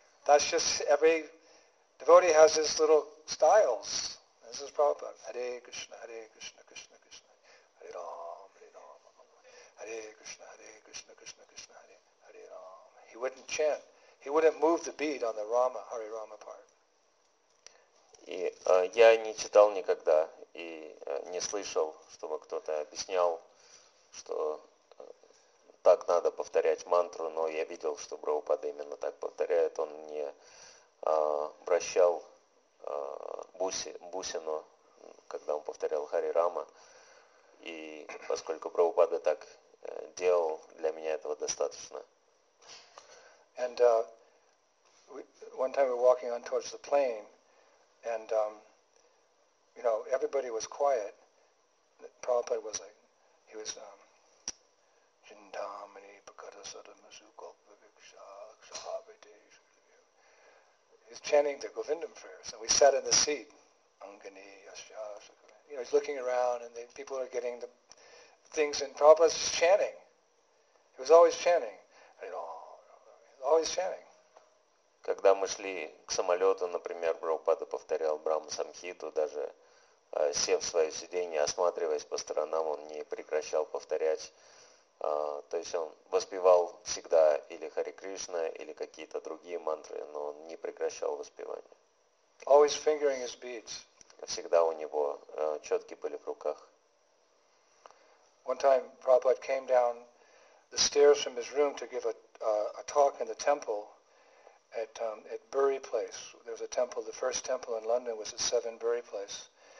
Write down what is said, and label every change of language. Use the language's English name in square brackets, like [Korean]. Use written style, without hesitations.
[English] That's just every devotee has his little styles. This is Prabhupada. Hare Krishna, Hare Krishna, Krishna Krishna, Hare Ram, Hare Ram. Hare Krishna, Hare Krishna, Krishna Krishna, Hare Hare Ram. He wouldn't chant. He wouldn't move the bead on the Rama, Hare Rama part. [Russian] И я не читал никогда и не слышал, чтобы кто-то объяснял, что так надо повторять мантру, но я видел, что Прабхупада именно так повторяет. Он не вращал бусину, когда он повторял Хари Рама. И поскольку Прабхупада так делал, для меня этого достаточно. [English] And one time we're walking on towards the plane. And you know, everybody was quiet. Prabhupada was like, he was [Sanskrit] Jindamani Pakadasadamazuko Vivikshahabide. [English] He's chanting the Govindam prayers. And we sat in the seat. [Sanskrit] Angani Yasha. [English] You know, he's looking around and the people are getting the things and Prabhupada's just chanting. He was always chanting. Always chanting. [Russian] Когда мы шли к самолету, например, Прабхупада повторял Брахма Самхиту, даже сев в свое сиденье, осматриваясь по сторонам, он не прекращал повторять. То есть он воспевал всегда или Хари Кришна, или какие-то другие мантры, но он не прекращал воспевание. [English] Always fingering his beads. [Russian] Всегда у него четки были в руках. [English] One time Prabhupada came down the stairs from his room to give a talk in the temple. At Bury Place, there was a temple. The first temple in London was at 7 Bury Place.